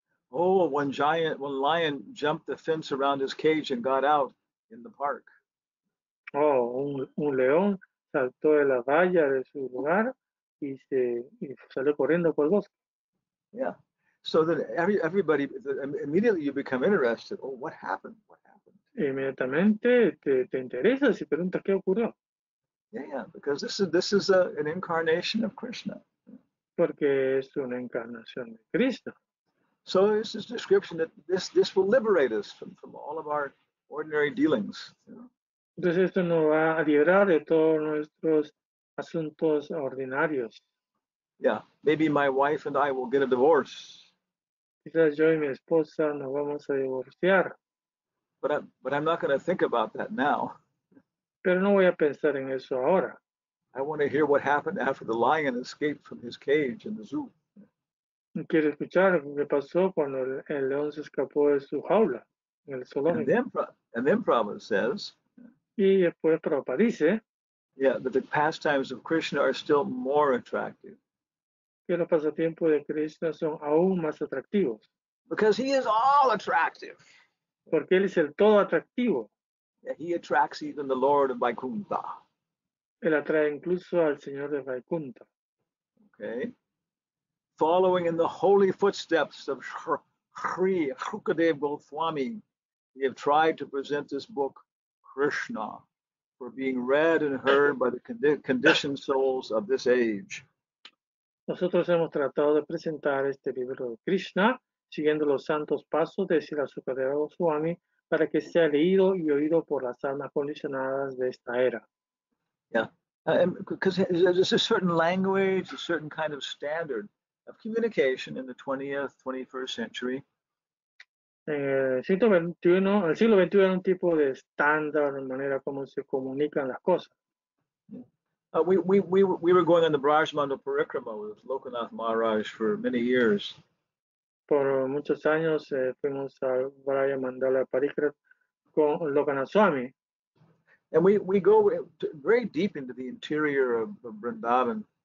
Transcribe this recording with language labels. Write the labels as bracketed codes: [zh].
[en] Oh, one lion jumped the fence around his cage and got out in the park. [es] Oh, un león saltó de la valla de su lugar y salió corriendo por el bosque. [en] Yeah. So that everybody, immediately you become interested. Oh, what happened? What happened? [es] Inmediatamente te interesas y preguntas qué ocurrió. [en] Yeah, because this is an incarnation of Krishna. [es] Porque es una encarnación de Cristo. [en] So this is description that this will liberate us from all of our ordinary dealings. You know? [es] Entonces esto nos va a liberar de todos nuestros asuntos ordinarios. [en] Yeah, maybe my wife and I will get a divorce. [es] Quizás yo y mi esposa nos vamos a divorciar. [en] But I'm not going to think about that now. [es] Pero no voy a pensar en eso ahora. [en] I want to hear what happened after the lion escaped from his cage in the zoo. [es] Quiero escuchar qué pasó cuando el león se escapó de su jaula en el zoológico. [en] And then Prabhupada says. [es] Y después Prabhupada dice. [en] Yeah, that the pastimes of Krishna are still more attractive. [es] Que los pasatiempos de Krishna son aún más atractivos. [en] Because he is all attractive. [es] Porque él es el todo atractivo. [en] Yeah, he attracts even the Lord of Vaikuntha. [es] Él atrae incluso al Señor de Vaikuntha. [en] Okay. Following in the holy footsteps of Sri Shukadeva Goswami, we have tried to present this book, Krishna, for being read and heard by the conditioned souls of this age. [es] Nosotros hemos tratado de presentar este libro de Krishna siguiendo los santos pasos de Srila Sukadeva Goswami, para que sea leído y oído por las almas condicionadas de esta era. [en] Yeah, because there's a certain language, a certain kind of standard of communication in the 20th, 21st century. [es] El siglo XXI era un tipo de estándar, de manera como se comunican las cosas. [en] We were going on the Brajmandal Parikrama with Lokanath Maharaj for many years. [es] Por muchos años fuimos al Brajmandala Parikrama con Lokanath Swami. [en] And we go very deep into the interior of Vrindavan.